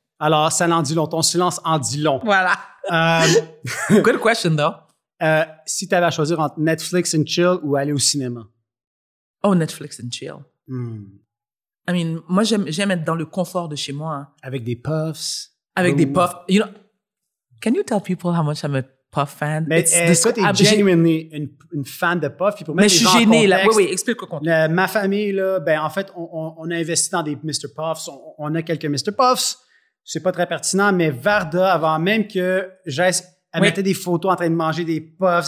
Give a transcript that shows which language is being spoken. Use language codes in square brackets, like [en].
[fr] Alors, ça en dit long. Ton silence en dit long. Voilà. [en] good question, though. [fr] Si tu avais à choisir entre [en] Netflix and chill [fr] ou aller au cinéma? Oh, [en] Netflix and chill. [fr] Mm. [en] I mean, [fr] moi, j'aime être dans le confort de chez moi. Avec des puffs. Avec des puffs. [en] You know, can you tell people how much I'm a puff fan? [fr] Mais toi, t'es genuinely une fan de puffs. Mais je suis gênée, là. Oui, explique au contexte. Ma famille, là, ben en fait, on a investi dans des Mr. Puffs. On a quelques Mr. Puffs. C'est pas très pertinent, mais Varda, avant même que j'aille... Elle mettait des photos en train de manger des puffs.